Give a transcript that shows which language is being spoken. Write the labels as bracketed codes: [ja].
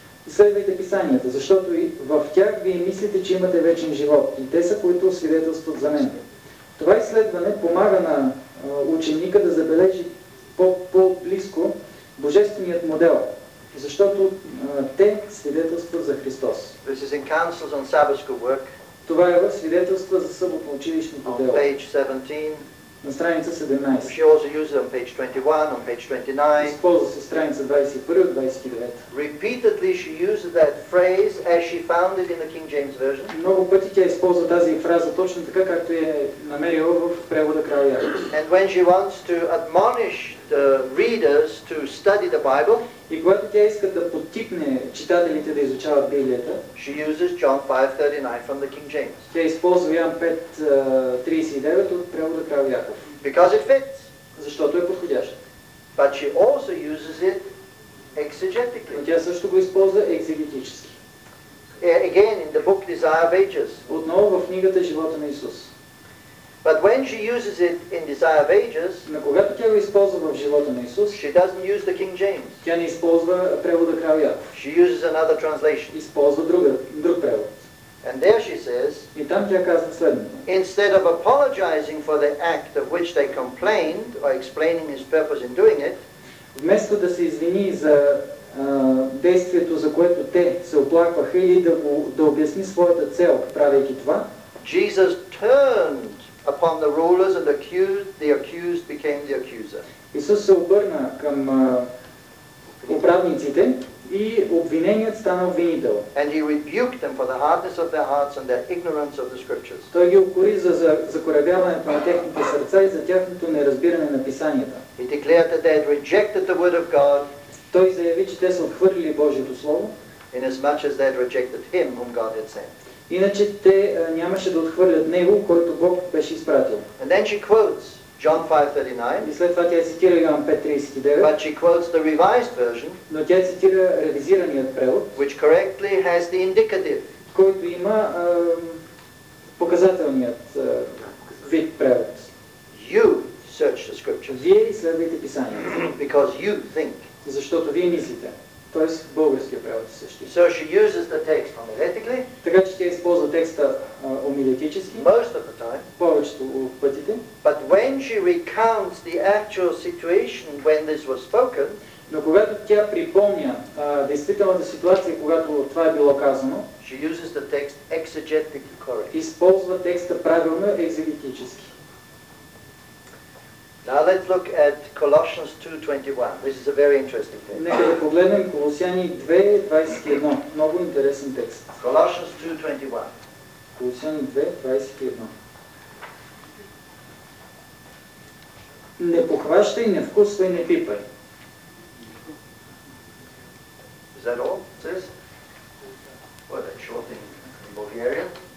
[bg] Следвайте писанията, защото и в тях вие мислите, че имате вечен живот, и те са, които свидетелстват за мен. Това изследване помага на ученика да забележи по-близко божественият модел, защото те свидетелстват за Христос. [en] This is in Councils on Sabbath School Work. [bg] Това е в свидетелства за съботно училищното дело. На страница 17. [en] She also uses on page 21, on page 29. [bg] Използва се страница 21 от 29. [en] Repeatedly she uses that phrase as she found it in the King James Version. [bg] Много пъти тя използва тази фраза точно така, както я е намерила в превода крал Яков. [en] And when she wants to admonish the readers to study the Bible, [bg] и когато тя иска да подтипне читателите да изучават Библията, [en] she uses John 5:39 from the King James. [bg] Тя използва Йоан 5:39 от превода крал Яков. [en] Because it fits. [bg] Защото е подходящо. [en] But she also uses it exegetically. [bg] Но тя също го използва екзегетически. [en] Again in the book Desire of Ages. [bg] Отново в книгата Живота на Исус. [en] But when she uses it in Desire of Ages, [bg] но когато тя го използва в Живота на Исус, [en] she doesn't use the King James. [bg] Тя не използва превода крал Яков. [en] She uses another translation. [bg] Използва друг превод. [en] And there she says, [bg] и там тя казва следното. [en] Instead of apologizing for the act of which they complained or explaining his purpose in doing it, [bg] вместо да се извини за действието, за което те се оплакваха, или да обясни своята цел, правейки това, [en] Jesus turned upon the rulers and accused, the accused became the accuser. [bg] Исус се обърна към управниците и обвиненият стана обвинител. [en] And he rebuked them for the hardness of their hearts and their ignorance of the scriptures. [bg] Той ги укори за закоравяването на техните сърца и за тяхното неразбиране на писанията. [en] He declared that they had rejected the word of God. [bg] Той заяви, че те са отхвърлили Божието Слово. [en] Inasmuch as they had rejected him whom God had sent. [bg] Иначе те нямаше да отхвърлят него, който Бог беше изпратил. [en] And then she quotes John 5:39. [bg] И след това тя цитира Йоан 5:39. [en] But she quotes the revised version. [bg] Но тя цитира ревизираният превод. [en] Which correctly has the indicative. [bg] Който има показателният вид превод. [en] You search the scriptures. [bg] Вие изследвайте писанието. [en] Because you think. [bg] Защото вие мислите. Тоест българския превод същия. [en] So she uses the text homiletically. [bg] Така че тя използва текста омилетически. [en] Most of the time. [bg] Повечето от пътите. [en] But when she recounts the actual situation when this was spoken, [bg] но когато тя припомня действителната ситуация, когато това е било казано, [en] she uses the text exegetically correct. [bg] Използва текста правилно екзегетически. [en] Now let's look at Colossians 2:21. This is a very interesting text. [bg] Нека да погледнем Колосяни 2:21. Много интересен текст. [en] Colossians 2:21. [bg] Колосяни 2:21. Не похващай, не вкусвай, не пипай. [en] Is that all it says? What a short in Bulgarian.